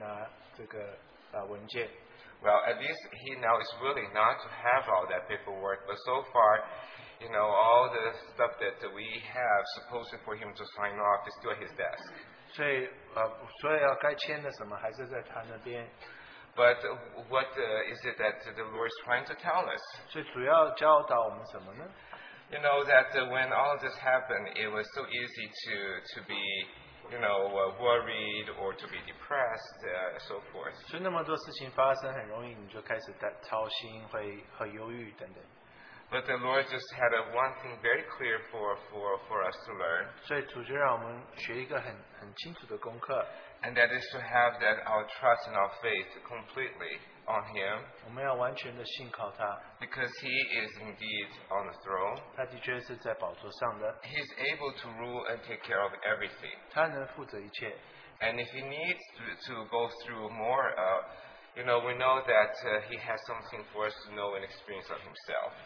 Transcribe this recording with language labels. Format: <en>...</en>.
<zh>他马上打电话给我说，你马上就来拿这个文件。</zh> <en>Well, at least he now is willing not to have all that paperwork. But so far, you know, all the stuff that we have supposed for him to sign off is still at his desk.</en> <zh>所以该签的什么还是在他那边。</zh> <en>But what is it that the Lord is trying to tell us?</en> <zh>所以主要教导我们什么呢?</zh> <en>You know that when all of this happened, it was so easy to be, you know, worried or to be depressed, so forth.</en> <zh>所以那么多事情发生很容易，你就开始担操心，会很忧郁等等。</zh> <en>But the Lord just had one thing very clear for us to learn.</en> <zh>所以主就让我们学一个很清楚的功课。</zh> <en>And that is to have that our trust and our faith completely on Him.</en> <zh>我们要完全的信靠他。</zh> <en>Because He is indeed on the throne.</en> <zh>他的确是在宝座上的。</zh> <en>He is able to rule and take care of everything.</en> <zh>他能负责一切。</zh> <en>And if He needs to go through more, you know, we know that He has something for us to know and experience of Himself.</en>